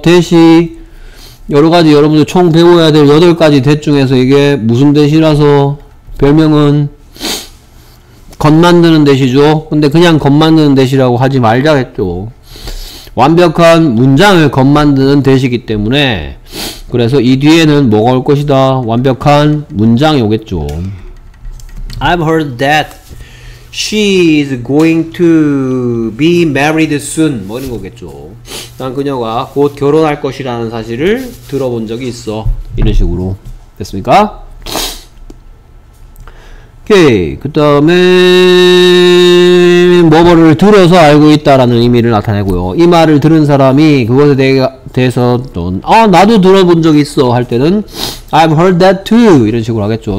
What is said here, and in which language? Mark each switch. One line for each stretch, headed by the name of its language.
Korean: 대시 여러 가지 여러분들 총 배워야 될 여덟 가지 대 중에서 이게 무슨 대시라서 별명은 겉 만드는 대시죠. 근데 그냥 겉 만드는 대시라고 하지 말자 했죠. 완벽한 문장을 겉 만드는 대시이기 때문에 그래서 이 뒤에는 뭐가 올 것이다. 완벽한 문장이 오겠죠.
English: I've heard that she's going to be married soon.
Korean: 뭐 이런 거겠죠. 난 그녀가 곧 결혼할 것이라는 사실을 들어본 적이 있어. 이런 식으로 됐습니까? 오케이. 그 다음에 뭐뭐를 들어서 알고 있다라는 의미를 나타내고요. 이 말을 들은 사람이 그것에 대해서 나도 들어본 적 있어 할 때는
English: I've heard that too
Korean: 이런 식으로 하겠죠.